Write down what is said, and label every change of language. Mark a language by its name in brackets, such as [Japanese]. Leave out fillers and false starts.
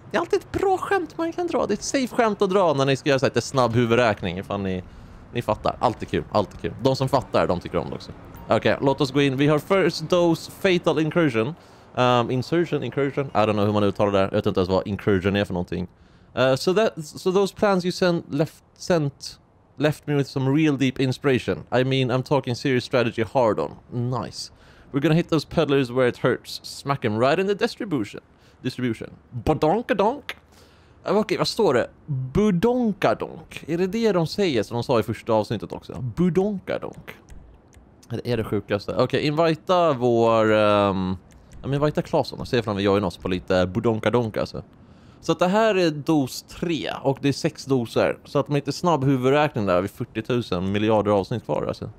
[Swedish] Det är alltid ett bra skämt man kan dra. Det är ett safe skämt att dra när ni ska göra så här, ett snabb huvudräkning. Ifall ni fattar. Alltid kul. De som fattar, de tycker om det också. Okej, låt oss gå in. Vi har first dose fatal incursion. Incursion? [English] I don't know [Swedish] hur man uttalar det där. Jag vet inte ens vad incursion är för någonting. [English] So those plans you sent left me with some real deep inspiration. I mean, I'm talking serious strategy hard on. Nice. We're gonna hit those peddlers where it hurts. Smack them right in the distribution. [Swedish] Badonkadonk? Okej, vad står det? Budonkadonk. Är det det de säger som de sa i första avsnittet också? Budonkadonk. Det är det sjukaste. Okej, invita vår... invita Claesson och se om vi gör oss på lite budonkadonka. Alltså. Så att det här är dos 3 och det är 6 doser. Så att med lite snabb huvudräkning där, vi 40 000 miljarder avsnitt kvar. Alltså.